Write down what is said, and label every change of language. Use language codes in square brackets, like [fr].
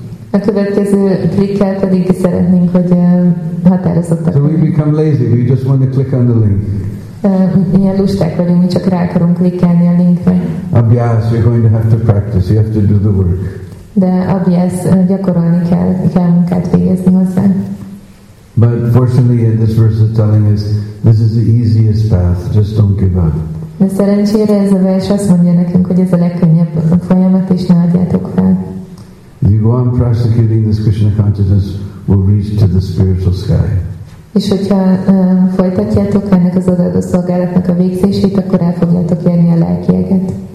[hu] A következő klikkel pedig szeretnénk, hogy határozottak. [en] So we become lazy, we just want to click on the link. [hu] Ilyen lusták vagyunk, mi csak rá akarunk klikkelni a linkre. [en] Abhyas, you're going to have to practice, you have to do the work. [hu] De abhyas, gyakorolni kell munkát végezni hozzá. [en] But fortunately, this verse is telling us, this is the easiest path, just don't give up. [hu] De szerencsére ez a vers azt mondja nekünk, hogy ez a legkönnyebb folyamat, és ne adjátok fel. [en] If you go on prosecuting this Krishna consciousness, will reach to the spiritual sky. [hu] És hogyha folytatjátok ennek az odaadó szolgálatnak a végzését, akkor el fogjátok érni a lelkieget.